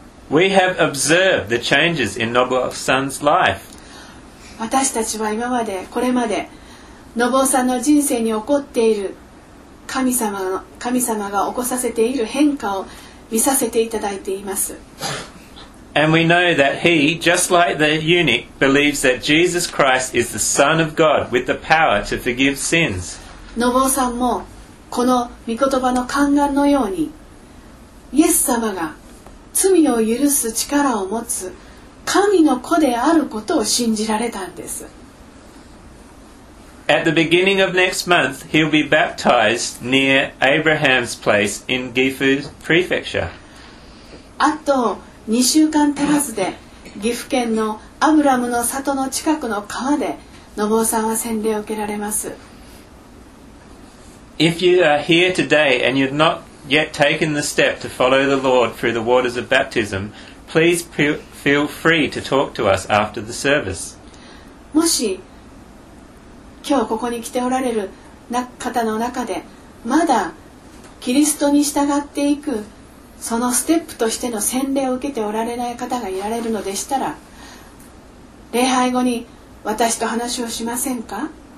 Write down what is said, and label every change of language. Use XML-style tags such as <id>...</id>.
<en>We have observed the changes in Nobuo-san's life.</en> <ja>私たちは今まで、これまで、信夫さんの人生に起こっている神様が起こさせている変化を見させていただいています。</ja> <en>And we know that he, just like the eunuch, believes that Jesus Christ is the Son of God with the power to forgive sins.</en> <ja>信夫さんもこの御言葉の宦官のようにイエス様が罪を許す力を持つ神の子であることを信じられたんです。</ja> <en>At the beginning of next month, he'll be baptized near Abraham's place in Gifu Prefecture.</en> <ja>あと2週間足らずで、岐阜県のアブラムの里の近くの川で、信夫さんは洗礼を受けられます。</ja> <en>If you are here today and you've not yet taken the step to follow the Lord through the waters of baptism, please feel free to talk to us after the service.</en> <ja>もし今日ここに来ておられる方の中でまだキリストに従っていくそのステップとしての洗礼を受けておられない方がいられるのでしたら、礼拝後に私と話をしませんか？</ja>